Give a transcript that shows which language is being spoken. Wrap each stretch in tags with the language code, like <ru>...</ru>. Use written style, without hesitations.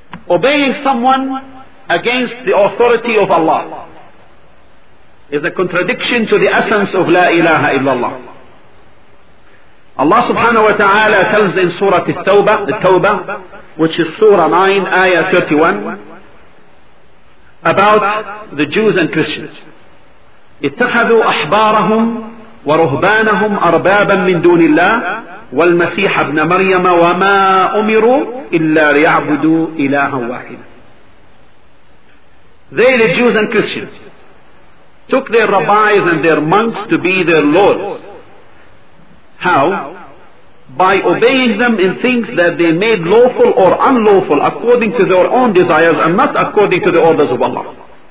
<en>Obeying someone against the authority of Allah is a contradiction to the essence of La ilaha illallah. Allah subhanahu wa ta'ala tells in Surah At-Tawbah, which is Surah 9, Ayah 31, about the Jews and Christians.</en> <ar>اتخذوا أحبارهم ورهبانهم أربابا من دون الله والمسيح ابن مريم وما أمروا إلا ليعبدوا إلها واحدا.</ar> <en>They, the Jews and Christians, took their rabbis and their monks to be their lords. How? By obeying them in things that they made lawful or unlawful according to their own desires and not according to the orders of Allah.</en>